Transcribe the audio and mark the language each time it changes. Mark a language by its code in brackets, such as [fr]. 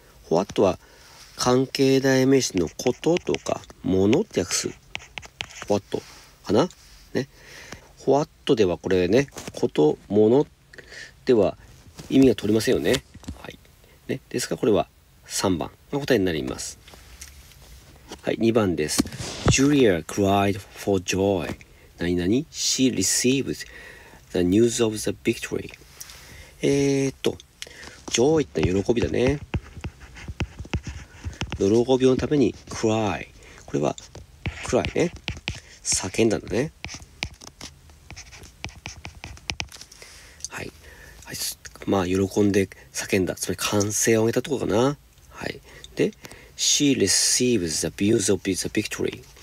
[ja] What は、関係代名詞のこととかものって訳す。 what かな、ね、what ではこれね、ことものでは意味が取れませんよね。はい。ね、ですからこれは3番の答えになります。はい、2番です。 [en] Julia cried for joy. [ja] 何々 [en] She received the news of the victory. [ja] joy ってのは喜びだね。喜びのために cry、 これは cry ね、叫んだんだね。はい、はい、まあ喜んで叫んだ、つまり歓声を上げたところかな。はい。 [en] で She receives the news of the victory。